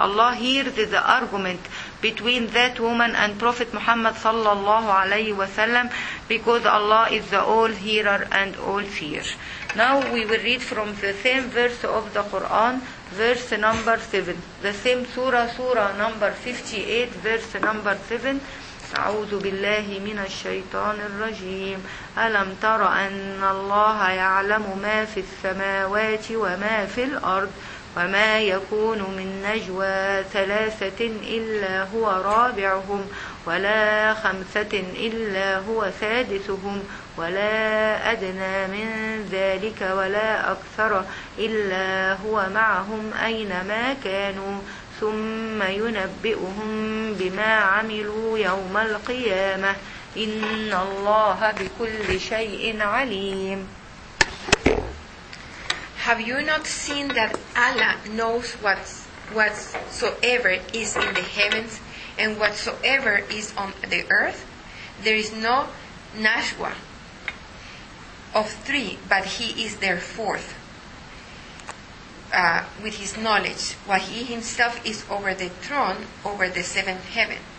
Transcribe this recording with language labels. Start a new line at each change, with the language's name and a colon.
English: Allah hears the argument between that woman and Prophet Muhammad sallallahu alaihi wasallam, because Allah is the all-hearer and all-seer. Now we will read from the same verse of the Quran, verse number 7. The same surah number 58, verse number 7.
Arabic: أعوذ بالله من الشيطان الرجيم ألم تر أن الله يعلم ما في السماوات وما في الأرض وما يكون من نجوى ثلاثة إلا هو رابعهم ولا خمسة إلا هو سادسهم ولا أدنى من ذلك ولا أكثر إلا هو معهم أينما كانوا ثم ينبئهم بما عملوا يوم القيامة إن الله بكل شيء عليم.
English: Have you not seen that Allah knows whatsoever is in the heavens and whatsoever is on the earth? There is no najwa of three, but he is their fourth with his knowledge, while he himself is over the throne, over the seventh heaven.